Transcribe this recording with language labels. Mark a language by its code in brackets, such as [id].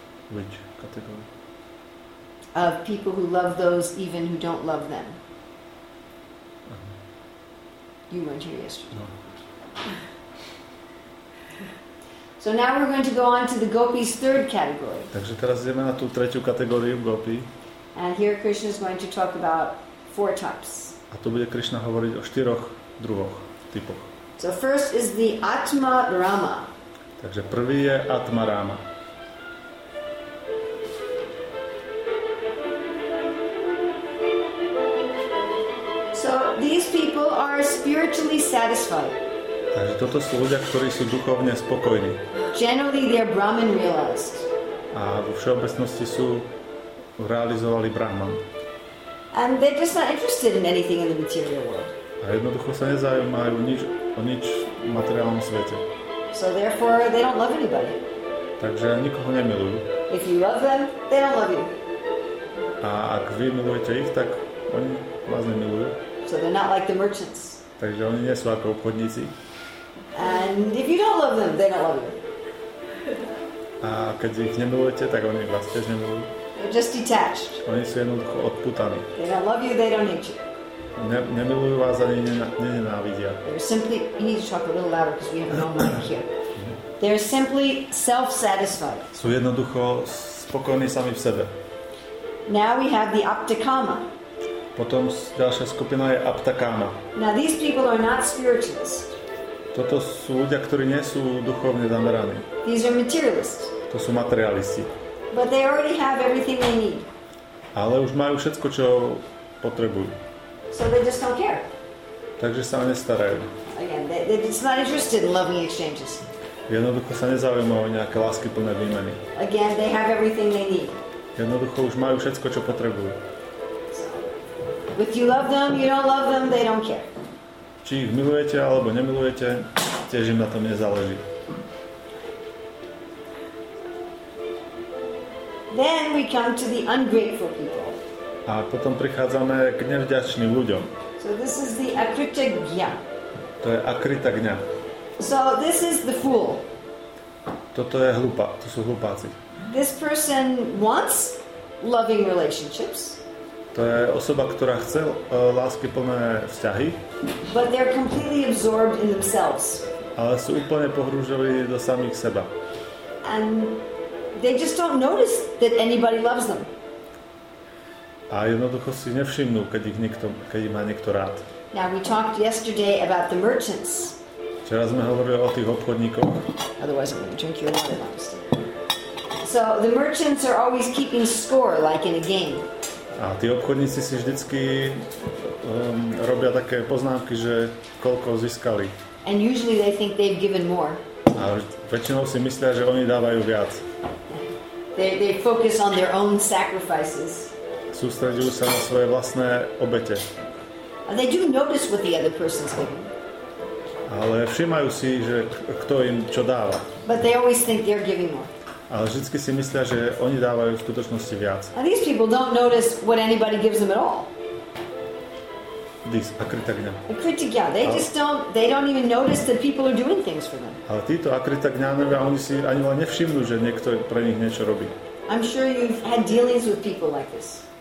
[en] Which category? Of people who love those even who don't love them. Uh-huh. You weren't here yesterday. No. So now we're going to go on to the gopis' third category. [sk] Takže teraz ideme na tú tretiu kategóriu gopi. [en] And here Krishna is going to talk about four types. [sk] A tu bude Krishna hovoriť o štyroch druhoch typoch. [en] So first is the Atma Rama. [sk] Takže prvý je Atma Rama. [en] These people are spiritually satisfied. [sk] Takže toto sú ľudia, ktorí sú duchovne spokojní. [en] Generally they are Brahman realized. [sk] A vo všeobecnosti sú realizovali Brahman. [en] And they're just not interested in anything in the material world. [sk] A jednoducho sa nezaujímajú o nič v materiálnom svete. [en] So therefore they don't love anybody. [sk] Takže nikoho nemilujú. [en] If you love them, they don't love you. [sk] A ak vy milujete ich, tak oni vás nemilujú. [en] So they're not like the merchants. [sk] Takže oni nie sú ako obchodníci. [en] And if you don't love them, they don't love you. [sk] A keď ich nemilujete, tak oni vás tiež nemilujú. [en] They're just detached. [sk] Oni sú jednoducho odputaní. [en] They don't love you, they don't hate you. [sk] Nemilujú vás ani nenávidia. [en] They're simply, you need to talk a little louder because we have no mic here. They're simply self-satisfied. [sk] Sú jednoducho spokojní sami v sebe. [en] Now we have the aptikama. [sk] Potom ďalšia skupina je Aptakáma. [en] Now these people are not spiritualists. [sk] Toto sú ľudia, ktorí nie sú duchovne zameraní. [en] These are materialists. [sk] To sú materialisti. [en] But they already have everything they need. [sk] Ale už majú všetko, čo potrebujú. [en] So they just don't care. [sk] Takže sa nestarajú. [en] It's not interested in loving exchanges. [sk] Jednoducho sa nezaujímajú nejaké lásky plné výmeny. [en] Again, they have everything they need. [sk] Jednoducho už majú všetko, čo potrebujú. [en] If you love them, you don't love them, they don't care. [sk] Či ich milujete alebo nemilujete, tiež im na tom nezáleží. [en] Then we come to the ungrateful people. [sk] A potom prichádzame k nevďačným ľuďom. [en] So this is the akritagya. [sk] To je akritagya. [en] So this is the fool. [sk] Toto je hlupa, to sú hlupáci. [en] This person wants loving relationships. [sk] To je osoba, ktorá chce lásky plné vzťahy. [en] But they're completely absorbed in themselves. [sk] Ale sú úplne pohrúžení do samých seba. [en] And they just don't notice that anybody loves them. [sk] A jednoducho si nevšimnú, keď ich má niekto rád. [en] Now we talked yesterday about the merchants. [sk] Včera sme hovorili o tých obchodníkoch. [en] Otherwise I'm going to drink your water. So the merchants are always keeping score like in a game. [sk] A tí obchodníci si vždycky robia také poznámky, že koľko získali. [en] And usually they think they've given more. [sk] A väčšinou si myslia, že oni dávajú viac. [en] They focus on their own sacrifices. [sk] Sústredujú sa na svoje vlastné obete. [en] They do notice what the other person's giving. [sk] Ale všimajú si, že kto im čo dáva. [en] But they always think they're giving more. [sk] Ale vždycky si myslia, že oni dávajú v skutočnosti viac. [en] And these people don't notice what anybody gives them at all. These akritagňa. [sk] Akritagňa. [en] They don't even notice that people are doing things for them. [sk] Ale títo akritagňanovia, oni si ani len nevšimnú, že niekto pre nich niečo robí. [en] I'm sure you've had dealings with people like this.